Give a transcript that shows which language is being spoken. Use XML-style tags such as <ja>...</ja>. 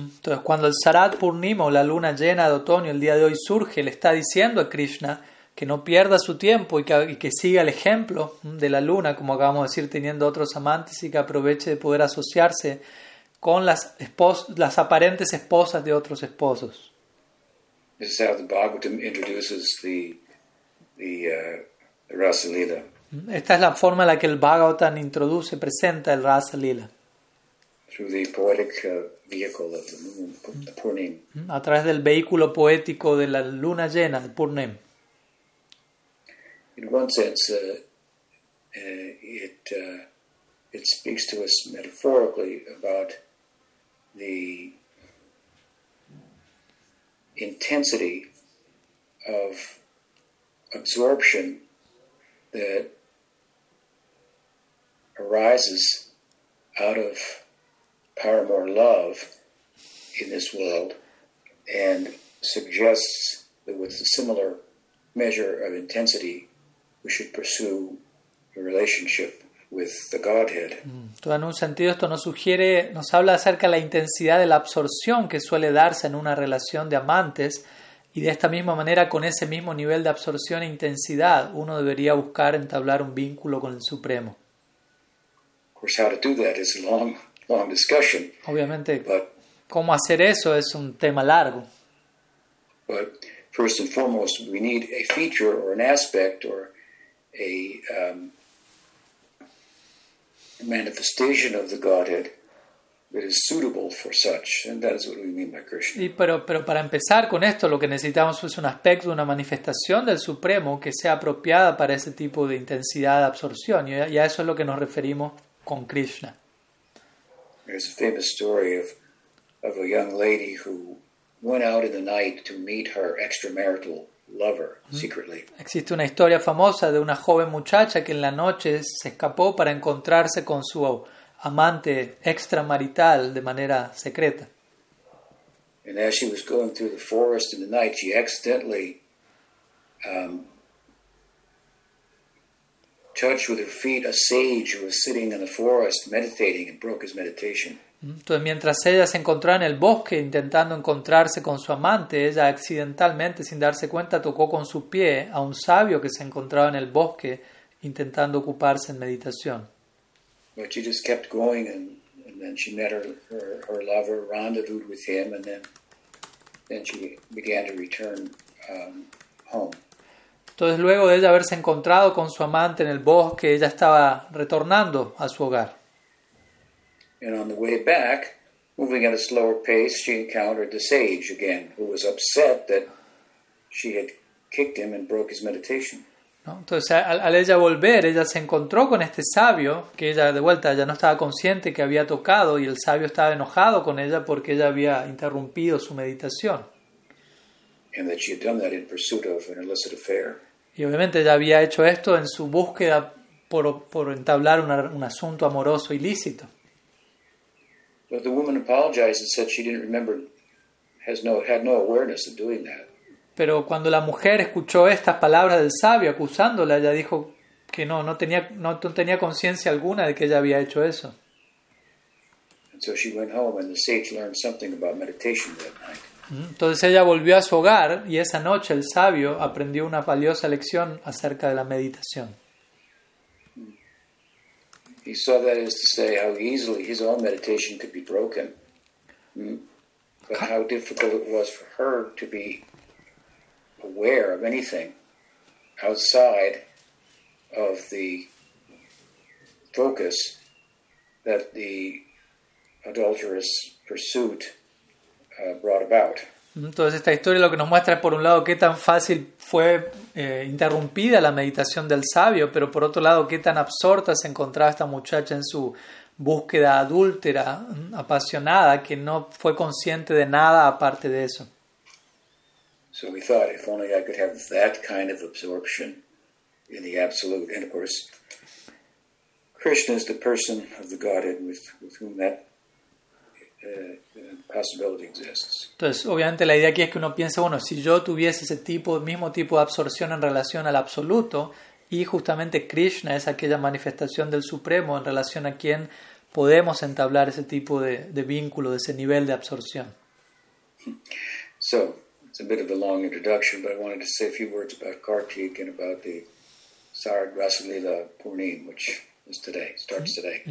<es>Entonces, cuando el Sarat Purnima, la luna llena de otoño, el día de hoy surge, le está diciendo a Krishna que no pierda su tiempo y que siga el ejemplo de la luna, como acabamos de decir, teniendo otros amantes, y que aproveche de poder asociarse con las aparentes esposas de otros esposos.</es> <en>This is how the Bhagavatam introduces the Rasa Lila.</en> <es>Esta es la forma en la que el Bhagavatam introduce, presenta el Rasa Lila.</es> <en>Through the poetic vehicle of the moon, the Purnim.</en> <es>A través del vehículo poético de la luna llena, el Purnim.</es> <en>In one sense, it speaks to us metaphorically about the intensity of absorption that arises out of paramour love in this world, and suggests that with a similar measure of intensity we should pursue a relationship with the Godhead.</en> <es>Todo en un sentido esto nos sugiere, nos habla acerca de la intensidad de la absorción que suele darse en una relación de amantes, y de esta misma manera, con ese mismo nivel de absorción e intensidad, uno debería buscar entablar un vínculo con el Supremo.</es> <en>Of course, how to do that is a long discussion.</en> <es>Obviamente,</es> <en>but</en> <es>cómo hacer eso es un tema largo.</es> <en>But first and foremost, we need a feature or an aspect or a manifestation of the Godhead that is suitable for such, and that is what we mean by Krishna.</en> <es>Y pero para empezar con esto, lo que necesitamos es un aspecto, una manifestación del Supremo que sea apropiada para ese tipo de intensidad de absorción, y a eso es lo que nos referimos con Krishna.</es> <en>There's a famous story of a young lady who went out in the night to meet her extramarital lover secretly.</en> <es>Existe una historia famosa de una joven muchacha que en la noche se escapó para encontrarse con su amante extramarital de manera secreta.</es> <en>And as she was going through the forest in the night, she accidentally touched with her feet a sage who was sitting in the forest meditating and broke his meditation.</en> <es>Entonces, mientras ella se encontraba en el bosque intentando encontrarse con su amante, ella accidentalmente, sin darse cuenta, tocó con su pie a un sabio que se encontraba en el bosque intentando ocuparse en meditación.</es> <en>But she just kept going, and then she met her lover, rendezvoused with him, and then she began to return home.</en> <es>Entonces, luego de ella haberse encontrado con su amante en el bosque, ella estaba retornando a su hogar.</es> <en>And on the way back, moving at a slower pace, she encountered the sage again, who was upset that she had kicked him and broke his meditation.</en> <es>¿No? Entonces, al ella volver, ella se encontró con este sabio, que ella, de vuelta, ya no estaba consciente que había tocado, y el sabio estaba enojado con ella porque ella había interrumpido su meditación.</es> <en>And that she had done that in pursuit of an illicit affair.</en> <es>Y obviamente ella había hecho esto en su búsqueda por entablar un asunto amoroso ilícito.</es> <en>But the woman apologized and said she didn't remember, had no awareness of doing that.</en> <es>Pero cuando la mujer escuchó estas palabras del sabio acusándola, ella dijo que no tenía conciencia alguna de que ella había hecho eso.</es> <en>And so she went home, and the sage learned something about meditation that night.</en> <es>Entonces ella volvió a su hogar, y esa noche el sabio aprendió una valiosa lección acerca de la meditación.</es> <en>He saw that as to say how easily his own meditation could be broken, but how difficult it was for her to be aware of anything outside of the focus that the adulterous pursuit brought about.</en> <es>Entonces esta historia lo que nos muestra es, por un lado, qué tan fácil fue interrumpida la meditación del sabio, pero por otro lado, qué tan absorta se encontraba esta muchacha en su búsqueda adúltera, apasionada, que no fue consciente de nada aparte de eso.</es> <en>So we thought, if only I could have that kind of absorption in the absolute. And of course, Krishna is the person of the Godhead with whom that possibility exists.</en> <es>Entonces, obviamente, la idea aquí es que uno piensa, bueno, si yo tuviese ese tipo, mismo tipo de absorción en relación al absoluto, y justamente Krishna es aquella manifestación del Supremo en relación a quien podemos entablar ese tipo de vínculo, de ese nivel de absorción.</es> <en>So, it's a bit of a long introduction, but I wanted to say a few words about Kartik and about the Sarad Rasalila Purnim, which starts today.</en>